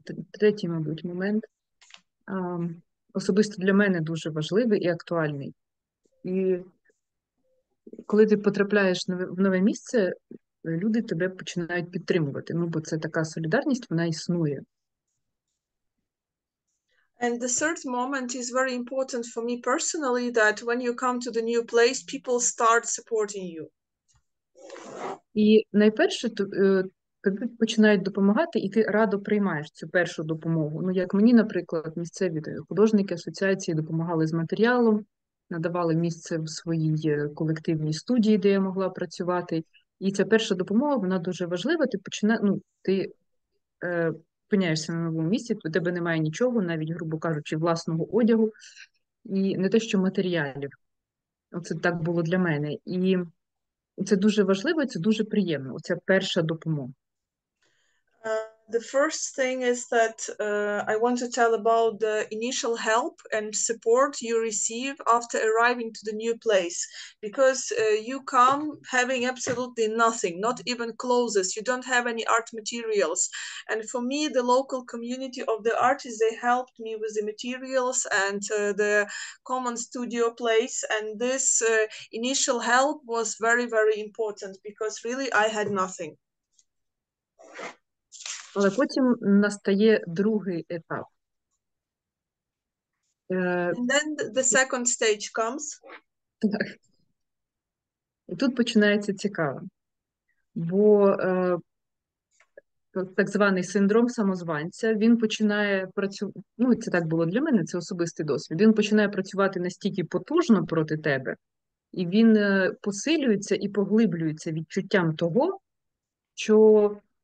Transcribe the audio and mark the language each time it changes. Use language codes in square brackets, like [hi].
[uk] Третій, мабуть, момент, особисто для мене дуже важливий і актуальний. І коли ти потрапляєш в нове місце, люди тебе починають підтримувати, ну, бо це така солідарність, вона існує. [en] And the third moment is very important for me personally, that when you come to the new place, people start supporting you. [uk] І найперше, тобі починають допомагати, і ти радо приймаєш цю першу допомогу. Ну, як мені, наприклад, місцеві художники асоціації допомагали з матеріалом, надавали місце в своїй колективній студії, де я могла працювати. І ця перша допомога, вона дуже важлива. Ти починаєш, ну, опиняєшся на новому місці, у тебе немає нічого, навіть, грубо кажучи, власного одягу. І не те, що матеріалів. Оце так було для мене. І це дуже важливо, це дуже приємно, оця перша допомога. [en] The first thing is that I want to tell about the initial help and support you receive after arriving to the new place, because you come having absolutely nothing, not even clothes, you don't have any art materials. And for me, the local community of the artists, they helped me with the materials and the common studio place. And this initial help was very, very important, because really I had nothing. [uk] Але потім настає другий етап. [en] And then the second stage comes. [uk] Так. І тут починається цікаво. Бо так званий синдром самозванця, він починає працювати, ну це так було для мене, це особистий досвід, він починає працювати настільки потужно проти тебе, і він посилюється і поглиблюється відчуттям того, що,